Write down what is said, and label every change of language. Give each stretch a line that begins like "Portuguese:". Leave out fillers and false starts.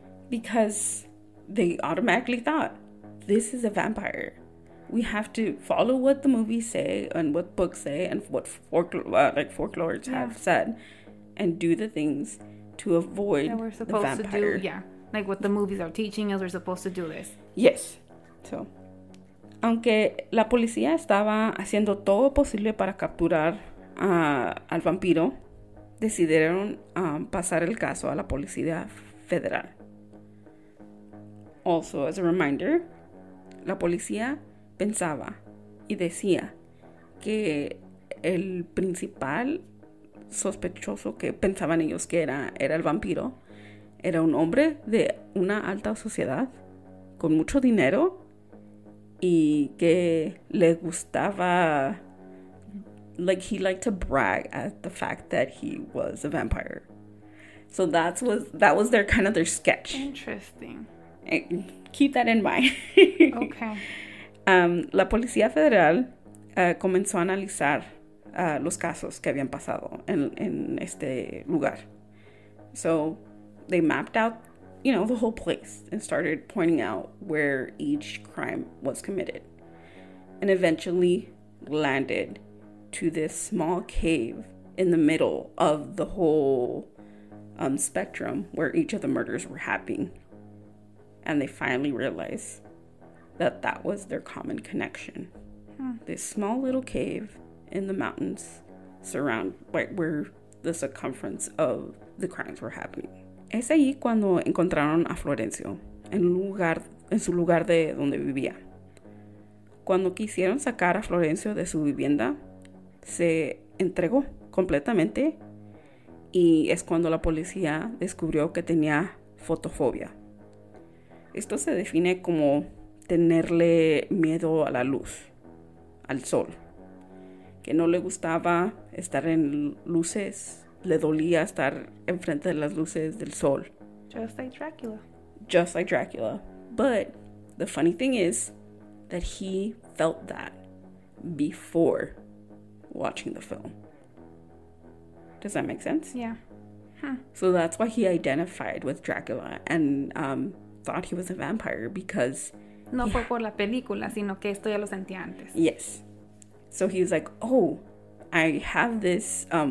English: Because they automatically thought, this is a vampire. We have to follow what the movies say and what books say and what folklore have said and do the things to avoid the vampire. That we're supposed to do, yeah. Like what the movies are teaching us, we're supposed to do this. Yes.
Spanish: So, aunque la policía estaba haciendo todo posible para capturar al vampiro, decidieron pasar el caso a la policía federal.
English: Also, as a reminder,
Spanish: la policía pensaba y decía que el principal sospechoso que pensaban ellos que era el vampiro era un hombre de una alta sociedad con mucho dinero y que le gustaba,
English: like, he liked to brag at the fact that he was a vampire. So that was their kind of their sketch. Interesting. Keep that in mind. Okay.
Spanish: La Policía Federal comenzó a analizar los casos que habían pasado en este lugar.
English: So they mapped out, you know, the whole place and started pointing out where each crime was committed. And eventually landed to this small cave in the middle of the whole spectrum where each of the murders were happening. And they finally realized that that was their common connection. Hmm. This small little cave in the mountains surround where the circumference of the crimes were happening.
Spanish: Es ahí cuando encontraron a Florencio, en su lugar de donde vivía. Cuando quisieron sacar a Florencio de su vivienda, se entregó completamente y es cuando la policía descubrió que tenía fotofobia. Esto se define como tenerle miedo a la luz, al sol, que no le gustaba estar en luces. Le dolía estar enfrente de las luces del sol.
English: Just like Dracula. Just like Dracula. But the funny thing is that he felt that before watching the film. Does that make sense? Yeah. Huh. So that's why he identified with Dracula and thought he was a vampire because...
Spanish: No fue por la película, sino que esto ya lo sentía antes.
English: Yes. So he was like, oh, I have this...